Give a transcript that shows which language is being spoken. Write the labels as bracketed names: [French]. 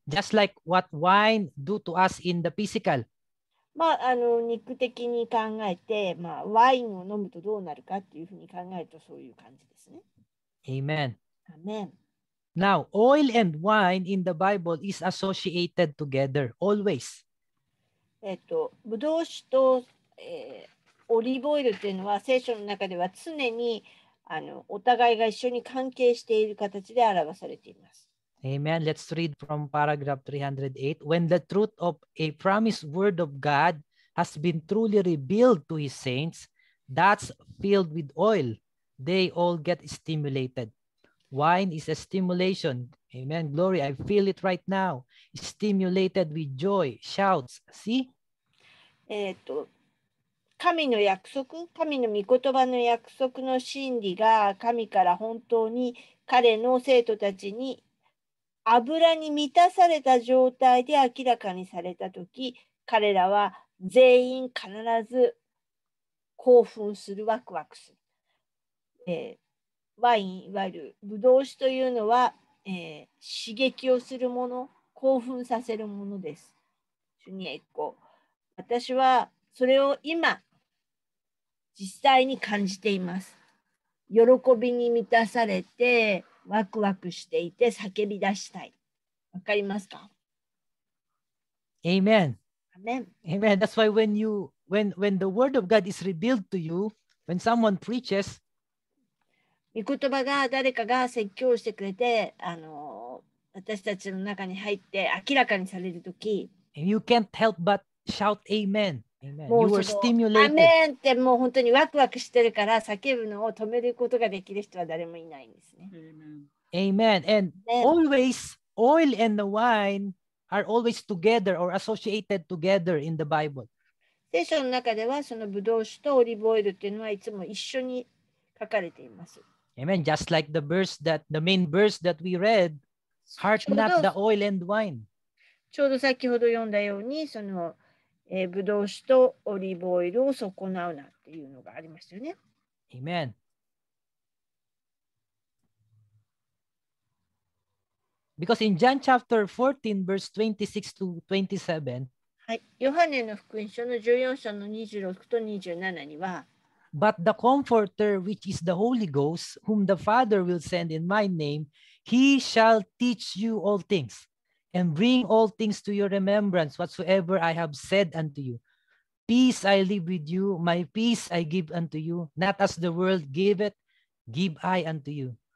[English] Just like what wine do to us in the physical. [Japanese] まあ、あの肉的に考えて、まあ、ワインを飲むとどうなるかっていうふうに考えるとそういう感じですね。 [English] Amen. Amen. Now, oil and wine in the Bible is associated together, always. [Japanese] ブドウ酒と、オリーブオイルっていうのは聖書の中では常にあのお互いが一緒に関係している形で表されています。 [English] Amen. Let's read from paragraph 308. When the truth of a promised word of God has been truly revealed to his saints, that's filled with oil, they all get stimulated. Wine is a stimulation. Amen. Glory, I feel it right now. Stimulated with joy, shouts. See? [Japanese] 神の約束、神の御言葉の約束の真理が神から本当に彼の生徒たちに油に満たされた状態で明らかにされたとき、彼らは全員必ず興奮する、ワクワクする。ワイン、いわゆるブドウ酒というのは、刺激をするもの、興奮させるものです。主に栄光。私はそれを今、実際に感じています。喜びに満たされて、ワクワクしていて叫び出したい。わかりますか？ [English] Amen. Amen. Amen. That's why when you when the word of God is revealed to you, when someone preaches, [Japanese] 御言葉が誰かが説教してくれて、私たちの中に入って明らかにされるとき、 [English] you can't help but shout amen. Amen. You are stimulated. [Japanese] アメンってもう本当にワクワクしてるから叫ぶのを止めることができる人は誰もいないんですね。 [English] Amen. Amen. And always oil and the wine are always together or associated together in the Bible. [Japanese] 聖書の中ではそのブドウ酒とオリーブオイルっていうのはいつも一緒に書かれています。 [English] Amen. Just like the verse that the main verse that we read, harsh not the oil and wine. [Japanese] ちょうど先ほど読んだようにその、ブドウ酒とオリーブオイルを損なうなっていうのがありましたよね。 [English] Amen. Because in John chapter 14, verse 26 to 27, [Japanese] はい、ヨハネの福音書の14章の26と27には、 [English] But the Comforter, which is the Holy Ghost, whom the Father will send in my name, he shall teach you all things, and bring all things to your remembrance, whatsoever I have said unto you. Peace I leave with you, my peace I give unto you, not as the world giveth, give I unto you.